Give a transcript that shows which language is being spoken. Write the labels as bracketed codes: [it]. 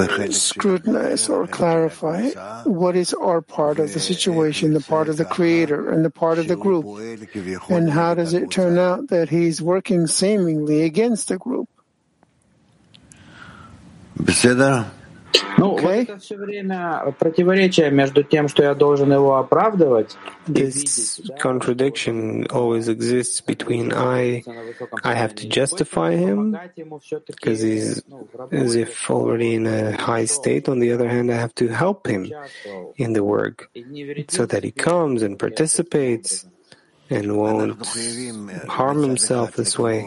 [en] Scrutinize or clarify what is our part of the situation, the part of the Creator and the part of the group, and how does it turn out that he's working seemingly against the group? Okay. [ru] Противоречие между тем, что я должен его оправдывать. [en] This contradiction always exists between I have to justify him because he's as if already in a high state. On the other hand, I have to help him in the work so that he comes and participates and won't harm himself this way.